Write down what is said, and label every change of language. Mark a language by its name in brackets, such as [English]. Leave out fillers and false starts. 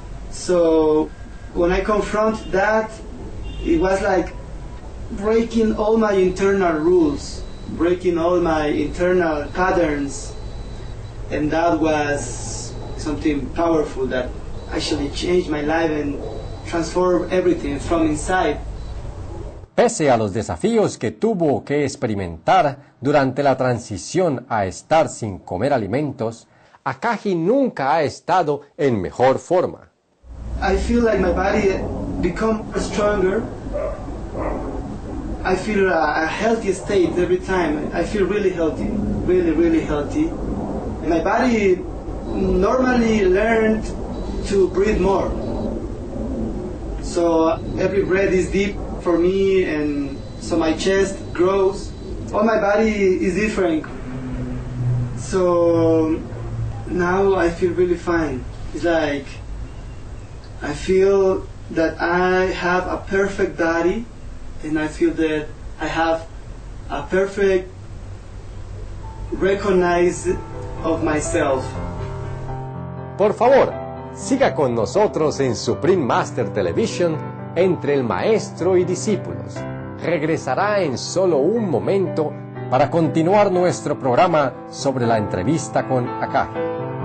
[English] So when I confront that, it was like breaking all my internal rules, breaking all my internal patterns, and that was something powerful that actually changed my life and transformed everything from inside. [Spanish] Pese a los desafíos que tuvo que experimentar durante la transición a estar sin comer alimentos, Akagi nunca ha estado en mejor forma. [English] I feel like my body become stronger. I feel a healthy state every time. I feel really healthy, really, really healthy. My body normally learned to breathe more. So every breath is deep for me, and so my chest grows. All my body is different. So now I feel really fine. It's like I feel that I have a perfect body, and I feel that I have a perfect recognize of myself. [Spanish] Por favor, siga con nosotros en Supreme Master Television entre el maestro y discípulos. Regresará en solo un momento para continuar nuestro programa sobre la entrevista con Akash.